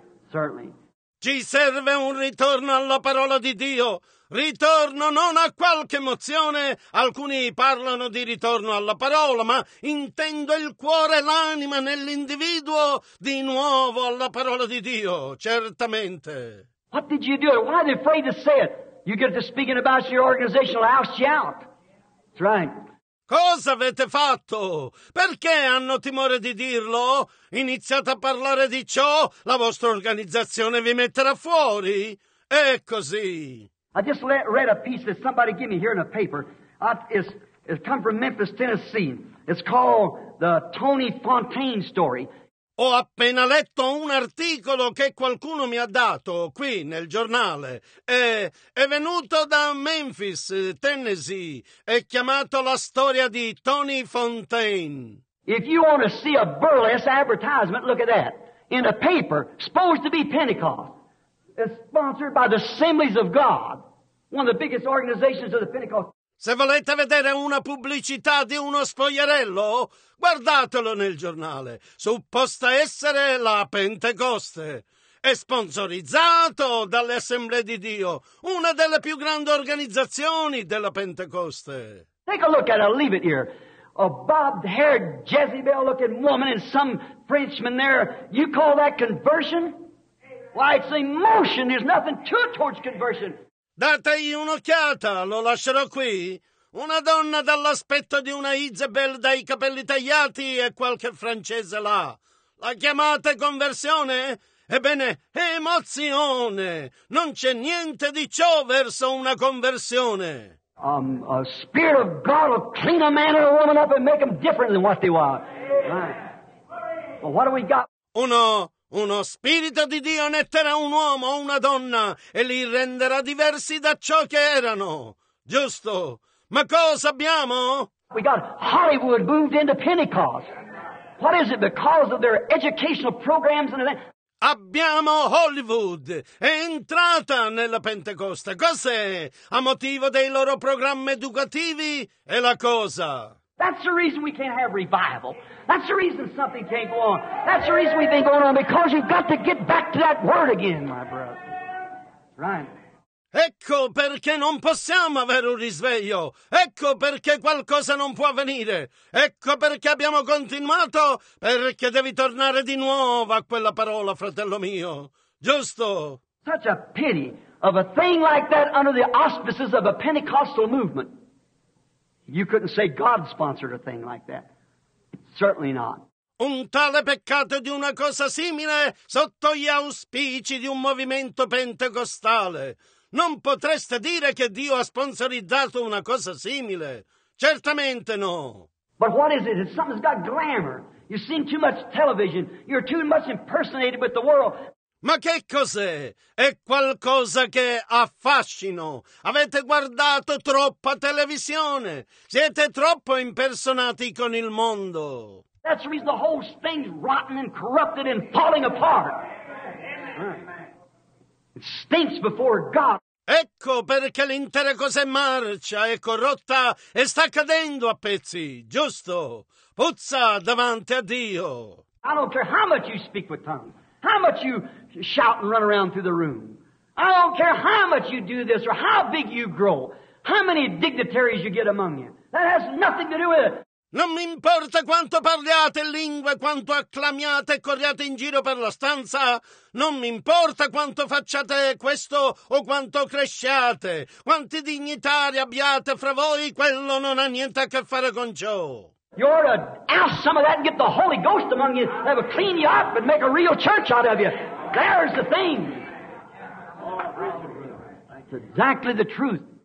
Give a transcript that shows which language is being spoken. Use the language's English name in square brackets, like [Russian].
[English] Certainly. [Italian] Ci serve un ritorno alla parola di Dio. Ritorno non a qualche emozione. Alcuni parlano di ritorno alla parola, ma intendo il cuore e l'anima nell'individuo di nuovo alla parola di Dio, certamente. [English] What did you do? Why are they afraid to say it? You get to speaking about your organization, I'll oust you out. That's right. [Italian] Cosa avete fatto? Perché hanno timore di dirlo? Iniziate a parlare di ciò, la vostra organizzazione vi metterà fuori. È così. [English] I just read a piece that somebody gave me here in a paper. It's come from Memphis, Tennessee. It's called The Tony Fontaine Story. [Italian] Ho appena letto un articolo che qualcuno mi ha dato qui nel giornale. È venuto da Memphis, Tennessee. È chiamato La storia di Tony Fontaine. [English] If you want to see a burlesque advertisement, look at that. In a paper, supposed to be Pentecost. It's sponsored by the Assemblies of God, one of the biggest organizations of the Pentecost. [Italian] Se volete vedere una pubblicità di uno spogliarello, guardatelo nel giornale. Supposta essere la Pentecoste. È sponsorizzato dalle Assemblee di Dio, una delle più grandi organizzazioni della Pentecoste. [English] Take a look at it, I'll leave it here. A bobbed-haired Jezebel-looking woman and some Frenchman there. You call that conversion? Why, it's emotion. There's nothing to it towards conversion. [Italian] Dategli un'occhiata, lo lascerò qui. Una donna dall'aspetto di una Isabel dai capelli tagliati e qualche francese là. La chiamate conversione? Ebbene, emozione! Non c'è niente di ciò verso una conversione. [English] A spirit of God will clean a man or a woman up and make them different than what they were. Right. Well, what do we got? [Italian] Uno spirito di Dio netterà un uomo o una donna e li renderà diversi da ciò che erano. Giusto. Ma cosa abbiamo? [English] We got Hollywood moved into Pentecost. What is it? Because of their educational programs and events? [Italian] Abbiamo Hollywood. È entrata nella Pentecoste. Cos'è? A motivo dei loro programmi educativi? È la cosa. [English] That's the reason we can't have revival. That's the reason something can't go on. That's the reason we've been going on, because you've got to get back to that word again, my brother. Right. [Italian] Ecco perché non possiamo avere un risveglio. Ecco perché qualcosa non può avvenire. Ecco perché abbiamo continuato. Perché devi tornare di nuovo a quella parola, fratello mio. Giusto? [English] Such a pity of a thing like that under the auspices of a Pentecostal movement. You couldn't say God sponsored a thing like that. Certainly not. [Italian] Un tale peccato di una cosa simile sotto gli auspici di un movimento pentecostale. Non potreste dire che Dio ha sponsorizzato una cosa simile. Certamente no. [English] But what is it? Something's got glamour. You're seeing too much television. You're too much impersonated with the world. [Italian] Ma che cos'è? È qualcosa che affascino. Avete guardato troppa televisione. Siete troppo impersonati con il mondo. [English] That's the reason the whole thing's rotten and corrupted and falling apart. Amen. It stinks before God. [Italian] Ecco perché l'intera cosa è marcia, è corrotta e sta cadendo a pezzi. Giusto? Puzza davanti a Dio. [English] I don't care how much you speak with tongues. How much you shout and run around through the room. I don't care how much you do this or how big you grow. How many dignitaries you get among you. That has nothing to do with it. [Italian] Non mi importa quanto parliate lingue, quanto acclamiate e corriate in giro per la stanza. Non mi importa quanto facciate questo o quanto cresciate. Quanti dignitari abbiate fra voi, quello non ha niente a che fare con ciò. [English] You're to oust some of that and get the Holy Ghost among you. That will clean you up and make a real church out of you. There's the thing. That's exactly the truth.